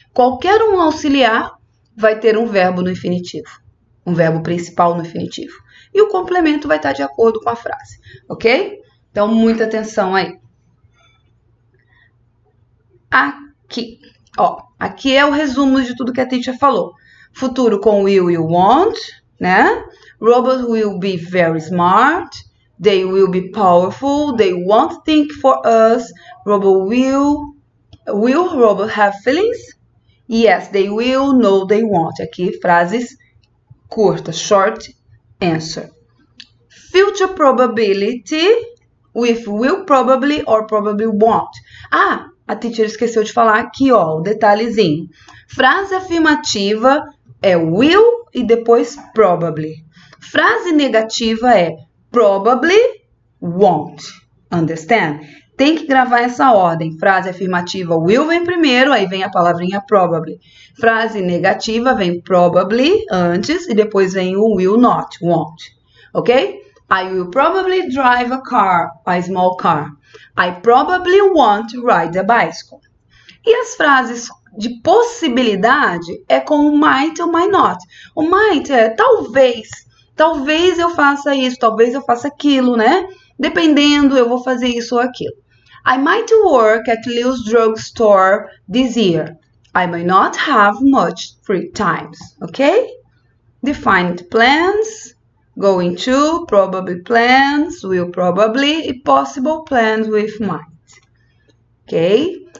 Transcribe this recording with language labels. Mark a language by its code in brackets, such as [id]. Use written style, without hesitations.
[pt] Qualquer um auxiliar vai ter um verbo no infinitivo, um verbo principal no infinitivo. E o complemento vai estar de acordo com a frase, ok? Então, muita atenção aí. Aqui. Ó, aqui é o resumo de tudo que a teacher falou. Futuro com will e won't, né? [en] Robots will be very smart. They will be powerful. They won't think for us. Will robots have feelings? Yes, they will. No, they won't. [pt] Aqui, frases curtas. [en] Short answer. Future probability with will probably or probably won't. Ah! [pt] A teacher esqueceu de falar aqui, ó, o detalhezinho. Frase afirmativa é will e depois probably. Frase negativa é probably won't. [en] Understand? [pt] Tem que gravar essa ordem. Frase afirmativa, will vem primeiro, aí vem a palavrinha probably. Frase negativa vem probably antes e depois vem o will not, won't. Ok? [en] I will probably drive a car, a small car. I probably won't ride a bicycle. [pt] E as frases de possibilidade é com o might ou might not. O might é talvez eu faça isso, talvez eu faça aquilo, né? Dependendo, eu vou fazer isso ou aquilo. [en] I might work at Leo's drugstore this year. I may not have much free time, ok? Defined plans. Going to, probably plans, will probably, [pt] e [en] possible plans with might. Okay?